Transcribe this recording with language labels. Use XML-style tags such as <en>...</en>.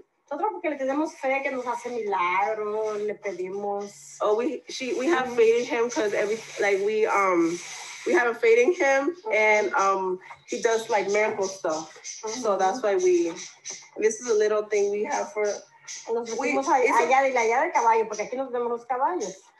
<es>Nosotros porque le tenemos fe que nos hace milagro, le pedimos.</es> <en>Oh, we have faith in him because we have a faith in him and he does like miracle stuff. Mm-hmm. So that's why we, this is a little thing we have for.</en> <es>Nos vamos allá de la llave del caballo porque aquí nos vemos los caballos.</es>